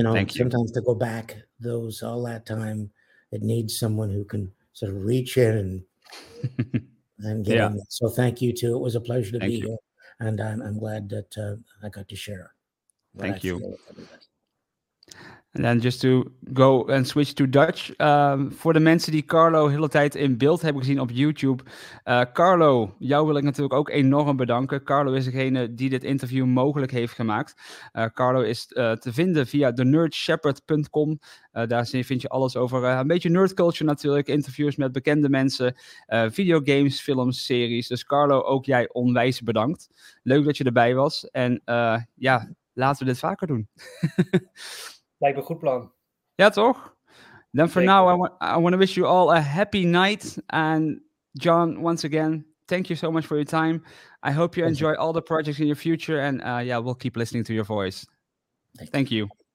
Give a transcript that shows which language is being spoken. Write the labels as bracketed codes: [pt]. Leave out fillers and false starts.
[en] Sometimes to go back those all that time, it needs someone who can sort of reach in and get in. So thank you, too. It was a pleasure to be here, and I'm glad that I got to share. Thank you. And then just to go and switch to Dutch, [nl] voor de mensen die Carlo de hele tijd in beeld hebben gezien op YouTube. Carlo, jou wil ik natuurlijk ook enorm bedanken. Carlo is degene die dit interview mogelijk heeft gemaakt. Carlo is te vinden via thenerdshepherd.com. Daar vind je alles over een beetje nerdculture natuurlijk. Interviews met bekende mensen, videogames, films, series. Dus Carlo, ook jij onwijs bedankt. Leuk dat je erbij was. En laten we dit vaker doen. Lijkt me een goed plan. Ja, toch? [en] Then for now, I want to wish you all a happy night. And John, once again, thank you so much for your time. I hope you enjoy all the projects in your future. And we'll keep listening to your voice. Thank you.